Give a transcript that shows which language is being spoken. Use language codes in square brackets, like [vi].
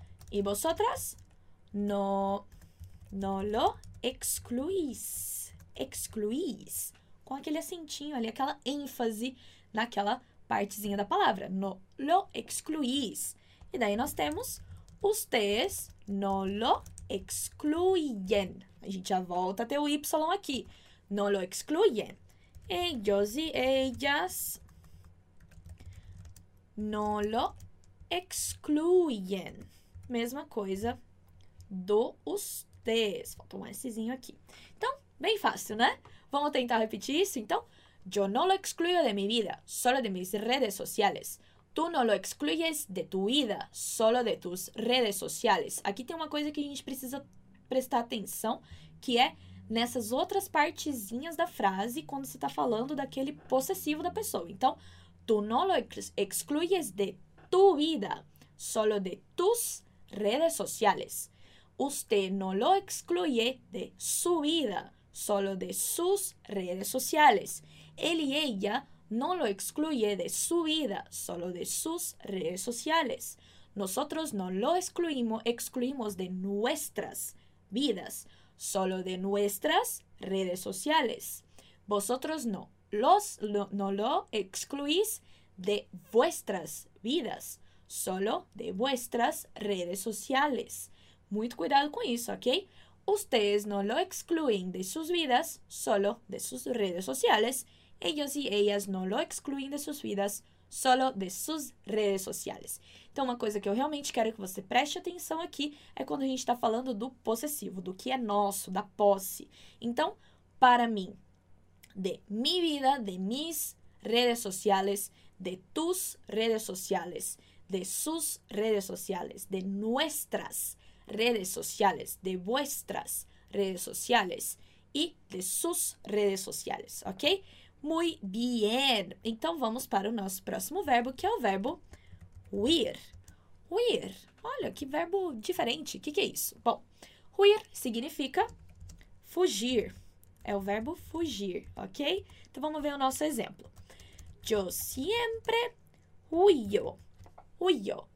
[es] E vosotras, no lo excluís. Excluís. [pt] Com aquele acentinho ali, aquela ênfase naquela partezinha da palavra. [es] No lo excluís. [pt] E daí nós temos, [es] ustedes no lo excluyen. [pt] A gente já volta a ter o Y aqui. [es] No lo excluyen. Ellos y ellas no lo excluyen. [pt] Mesma coisa do ustedes. Falta um Szinho aqui. Então, bem fácil, né? Vamos tentar repetir isso, então. [es] Yo no lo excluyo de mi vida, solo de mis redes sociales. Tú no lo excluyes de tu vida, solo de tus redes sociales. [pt] Aqui tem uma coisa que a gente precisa prestar atenção, que é nessas outras partezinhas da frase, quando você está falando daquele possessivo da pessoa. [es] Então, tú no lo excluyes de tu vida, solo de tus redes sociales. Usted no lo excluye de su vida, solo de sus redes sociales. Él y ella no lo excluye de su vida, solo de sus redes sociales. Nosotros no lo excluimos de nuestras vidas, solo de nuestras redes sociales. Vosotros no lo excluís de vuestras vidas, solo de vuestras redes sociales. [pt] Muito cuidado com isso, ok? [es] Ustedes no lo excluyen de sus vidas, solo de sus redes sociales. Ellos y ellas no lo excluyen de sus vidas, solo de sus redes sociales. [pt] Então, uma coisa que eu realmente quero que você preste atenção aqui é quando a gente está falando do possessivo, do que é nosso, da posse. Então, para mim, [es] de mi vida, de mis redes sociales, de tus redes sociales, de sus redes sociales, de nuestras redes sociales, de vuestras redes sociales e de sus redes sociales, ok? Muy bien! [pt] Então, vamos para o nosso próximo verbo, que é o verbo huir. Huir. Olha, que verbo diferente. O que, que é isso? Bom, huir significa fugir. É o verbo fugir, ok? Então, vamos ver o nosso exemplo. [es] Yo siempre huyo huyo.